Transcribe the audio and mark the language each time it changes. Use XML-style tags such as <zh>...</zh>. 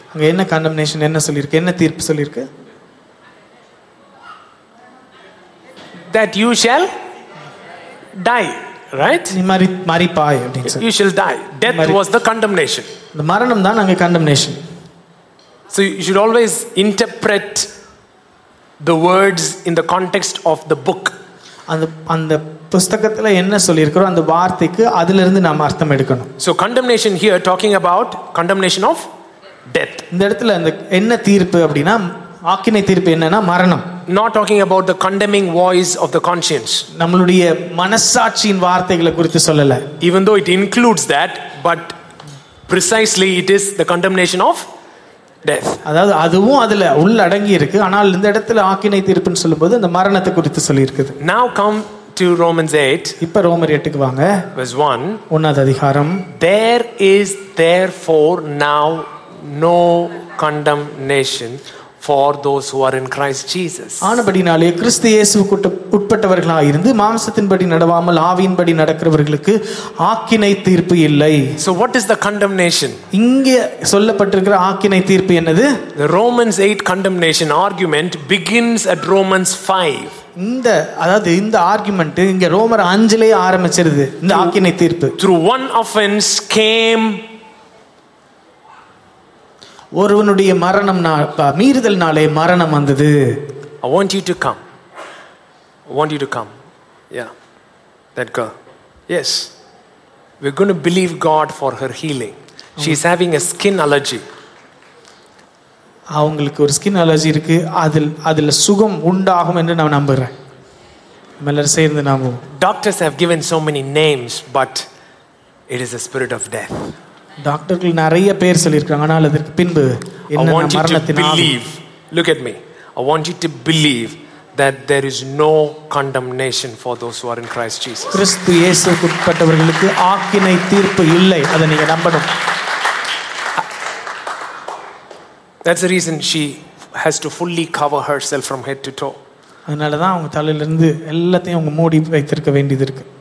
<ta>அங்க என்ன condemnation, என்ன சொல்லிருக்கு, என்ன தீர்ப்பு சொல்லிருக்கு?</ta> <en>That you shall die. Right?</en> <ta>நீ மரிப்பாய் அப்படினு சொல்லு.</ta> <en>You shall die. Death was the condemnation.</en> <ta>இந்த மரணம் தான் அங்க condemnation.</ta> <en>So you should always interpret the words in the context of the book.</en> <ta>அந்த அந்த புஸ்தகத்துல என்ன சொல்லியிருக்கிறோம் அந்த வார்த்தைக்கு அதுல இருந்து நாம் அர்த்தம் எடுக்கணும்.</ta> <en>So condemnation here talking about condemnation of death.</en> <ta>இந்த இடத்துல அந்த என்ன தீர்ப்பு அப்படின்னா ஆக்கினை தீர்ப்பு என்னன்னா மரணம்.</ta> <en>Not talking about the condemning voice of the conscience.</en> <ta>நம்மளுடைய மனசாட்சியின் வார்த்தைகளை குறித்து சொல்லல.</ta> <en>Even though it includes that, but precisely it is the condemnation of death.</en> <ta>அதாவது அதுவும் அதுல உள்ளடங்கி இருக்கு. ஆனால் இந்த இடத்துல ஆக்கினை தீர்ப்புன்னு சொல்லும்போது அந்த மரணத்தை குறித்து சொல்லியிருக்குது.</ta> <en>Now come to Romans 8.</en> <ta>இப்போ ரோமர் 8 க்கு வாங்க.</ta> <en>Verse 1.</en> <ta>1வது அதிகாரம்.</ta> <en>There is therefore now no condemnation for those who are in Christ Jesus.</en> <ta>ஆனபடினாலே கிறிஸ்து இயேசுவுக்கு உட்பட்டவர்களாக இருந்து மாம்சத்தின்படி நடவாமல் ஆவியின்படி நடக்கிறவர்களுக்கு ஆக்கினை தீர்ப்பு இல்லை.</ta> <en>So what is the condemnation?</en> <ta>இங்கே சொல்லப்பட்டிருக்கிற ஆக்கினை தீர்ப்பு என்னது?</ta> <en>The Romans 8 condemnation argument begins at Romans 5.</en> <ta>அதாவது இந்த ஆர்குமெண்ட் இங்க ரோமர் 5லயே ஆரம்பிச்சிருது. இந்த ஆக்கினை தீர்ப்பு</ta> <en>through one offense came,</en> <ta>ஒருவனுடைய மரணம் மீறுதல்னாலே மரணம் வந்தது.</ta> <en>I want you to come. want you to come. Yeah. That girl. Yes. We're going to believe God for her healing. She's having a skin allergy.</en> <ta>அவங்களுக்கு ஒரு ஸ்கின் அலர்ஜி இருக்கு, அதில் அதில் சுகம் உண்டாகும் என்று நான் நம்புகிறேன். எல்லாரும் சேர்ந்து நாமும்.</ta> <en>Doctors have given so many names, but it is a spirit of death.</en> <ta>டாக்டர்கள் நிறைய பேர் சொல்லியிருக்காங்க, ஆனால் அதற்கு பின்பு என்ன மரணத்தின் ஆவி.</ta> <en>Look at me. I want you to believe that there is no condemnation for those who are in Christ Jesus.</en> <ta>கிறிஸ்து இயேசுவுக்குட்பட்டவர்களுக்கு ஆக்கினை தீர்ப்பு இல்லை, அதை நீங்க நம்பணும்.</ta> <en>That's the reason she has to fully cover herself from head to toe.</en> <ta>அதனால தான் அவங்க தலையில இருந்து எல்லாத்தையும் அவங்க மூடி வைத்திருக்க வேண்டியது இருக்கு.</ta>